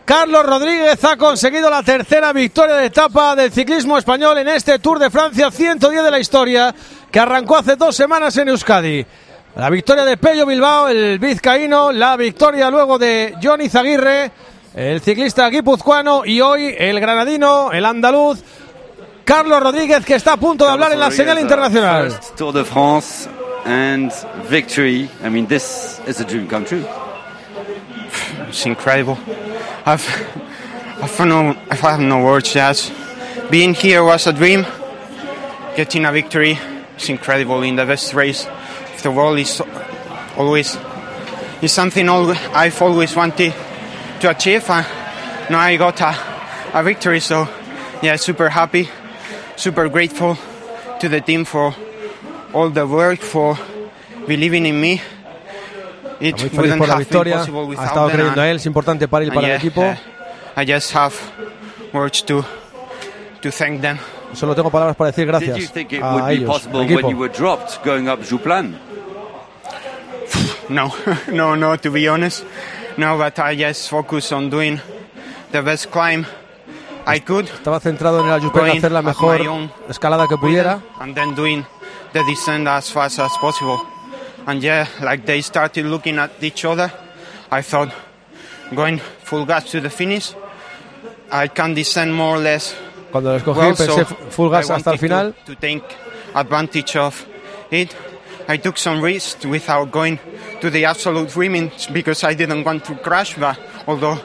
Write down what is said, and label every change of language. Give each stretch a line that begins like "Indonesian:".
Spanish: Carlos Rodríguez ha conseguido la tercera victoria de etapa del ciclismo español en este Tour de Francia 110 de la historia, que arrancó hace dos semanas en Euskadi. La victoria de Pello Bilbao, el vizcaíno, la victoria luego de Joni Zaguirre, el ciclista guipuzcoano, y hoy el granadino, el andaluz, Carlos Rodríguez, que está a punto de hablar en la señal internacional.
English: Tour de France and victory. I mean, this is a dream come true. It's incredible. I have no words yet. Being here was a dream. Getting a victory is incredible in the best race of the world. It's something I've always wanted to achieve. And now I got a victory. So, yeah, super happy, super grateful to the team for all the work, for believing in me.
Spanish: Muy feliz por la victoria. Ha estado creyendo a él, es importante para él, para el equipo.
English: I just have words to thank them.
Spanish: Solo tengo palabras para decir gracias a ellos, al equipo.
English: When you were dropped going up Juplan? No, to be honest. No, but I just focus on doing the best climb I could.
Spanish: Estaba centrado en el Juplan, hacer la mejor escalada que pudiera.
English: And then doing the descent as fast as possible. And yeah, like they started looking at each other, I thought, going full gas to the finish, I can descend more or less.
Spanish: Cuando lo escogí,
English: well,
Spanish: pensé full gas hasta el final.
English: To take advantage of it, I took some risks without going to the absolute limit because I didn't want to crash. But although